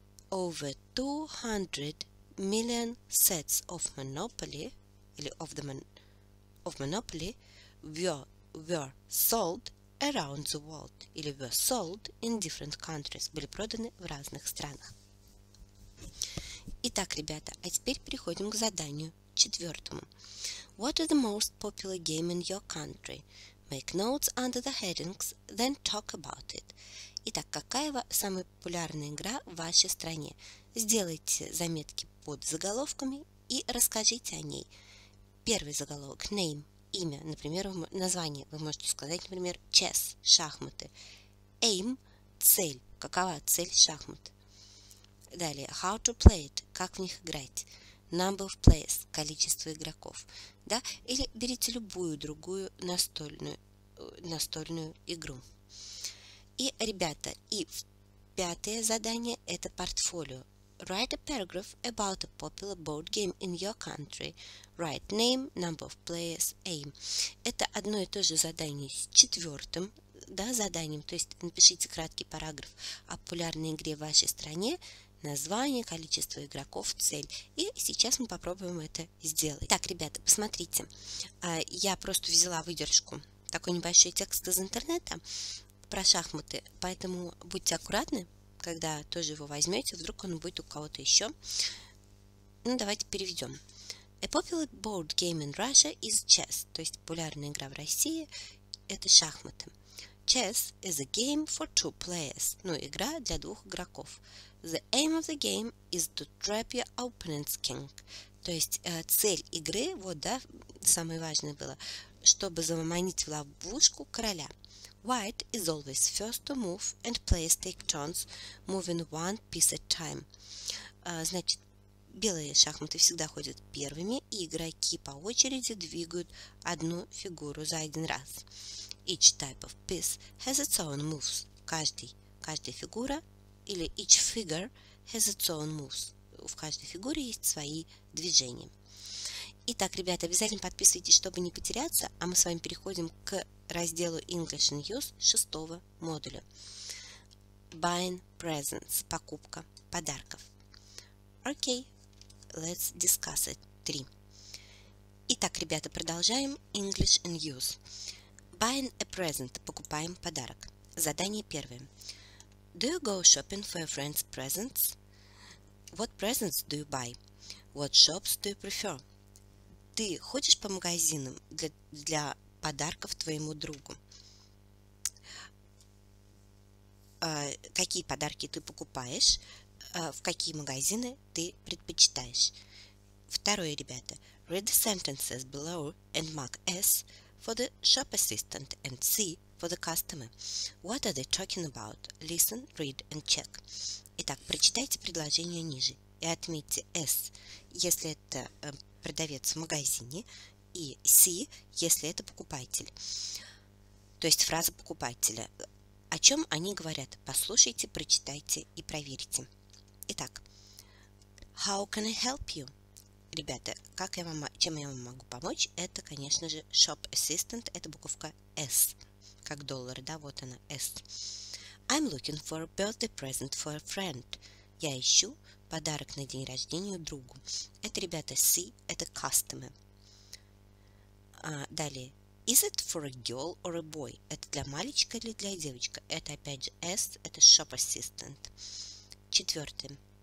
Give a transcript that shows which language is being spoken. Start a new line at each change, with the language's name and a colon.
English: over 200 million sets of Monopoly или of the of Monopoly were sold around the world, или were sold in different countries,
Russian: были проданы в разных странах. Итак, ребята, а теперь переходим к заданию четвертому.
English: What is the most popular game in your country? Make notes under the headings, then talk about it.
Russian: Итак, какая самая популярная игра в вашей стране? Сделайте заметки под заголовками и расскажите о ней. Первый заголовок, name. Имя, например, название. Вы можете сказать, например, chess, шахматы. Aim, цель. Какова цель шахмат? Далее,
English: how to play it,
Russian: как в них играть. Number of players, количество игроков. Да? Или берите любую другую настольную игру. И, ребята, и пятое задание – это портфолио.
English: Write a paragraph about a popular board game in your country. Write name, number of players, aim.
Russian: Это одно и то же задание с четвертым, да, заданием. То есть напишите краткий параграф о популярной игре в вашей стране, название, количество игроков, цель. И сейчас мы попробуем это сделать. Так, ребята, посмотрите. Я просто взяла выдержку, такой небольшой текст из интернета про шахматы. Поэтому будьте аккуратны, когда тоже его возьмете, вдруг он будет у кого-то еще. Ну, давайте переведем.
English: A popular board game in Russia is chess.
Russian: То есть популярная игра в России – это шахматы.
English: Chess is a game for two players.
Russian: Ну, игра для двух игроков.
English: The aim of the game is to trap your opponent's king.
Russian: То есть цель игры, вот, да, самое важное было, чтобы заманить в ловушку короля.
English: White is always first to move, and players take turns moving one piece at a time.
Russian: Значит, белые шахматы всегда ходят первыми, и игроки по очереди двигают одну фигуру за один раз.
English: Each type of piece has its own moves.
Russian: Каждая фигура, или
English: each figure has its own moves.
Russian: В каждой фигуре есть свои движения. Итак, ребята, обязательно подписывайтесь, чтобы не потеряться, а мы с вами переходим к разделу English and Use 6 модуля.
English: Buying presents.
Russian: Покупка подарков.
English: Okay, let's discuss it. 3.
Russian: Итак, ребята, продолжаем English and Use.
English: Buying a present.
Russian: Покупаем подарок. Задание первое.
English: Do you go shopping for your friend's presents? What presents do you buy? What shops do you prefer?
Russian: Ты ходишь по магазинам для подарков твоему другу? Какие подарки ты покупаешь? В какие магазины ты предпочитаешь? Второе, ребята.
English: Read the sentences below and mark S for the shop assistant and C for the customer. What are they talking about? Listen, read and check.
Russian: Итак, прочитайте предложение ниже и отметьте S, если это продавец в магазине, и C, если это покупатель. То есть фраза покупателя. О чем они говорят? Послушайте, прочитайте и проверьте. Итак,
English: how can I help you?
Russian: Ребята, как я вам, чем я вам могу помочь? Это, конечно же, shop assistant, это буковка S, как доллар, да, вот она, S.
English: I'm looking for a birthday present for a friend.
Russian: Я ищу подарок на день рождения другу. Это, ребята, C, это customer. Далее.
English: Is it for a girl or a boy?
Russian: Это для мальчика или для девочки? Это, опять же, S, это shop assistant. Четвертое.